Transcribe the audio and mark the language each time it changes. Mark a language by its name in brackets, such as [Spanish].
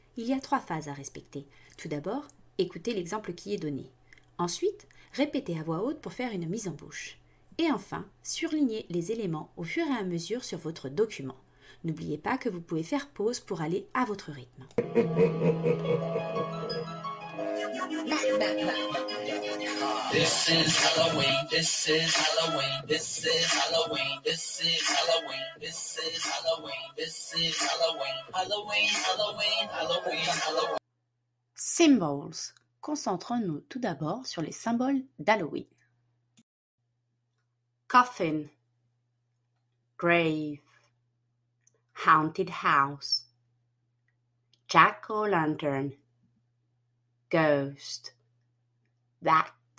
[French] Il y a trois phases à respecter. Tout d'abord, écoutez l'exemple qui est donné. Ensuite, répétez à voix haute pour faire une mise en bouche. Et enfin, surlignez les éléments au fur et à mesure sur votre document. N'oubliez pas que vous pouvez faire pause pour aller à votre rythme. [English] This is Halloween, this is Halloween, this is Halloween, this is Halloween, this is Halloween, this is Halloween, Halloween, Halloween, Halloween, Halloween. Symbols. [French] Concentrons-nous tout d'abord sur les symboles d'Halloween. [English] Coffin. Grave. Haunted house. Jack-o'-lantern. Ghost. Bat.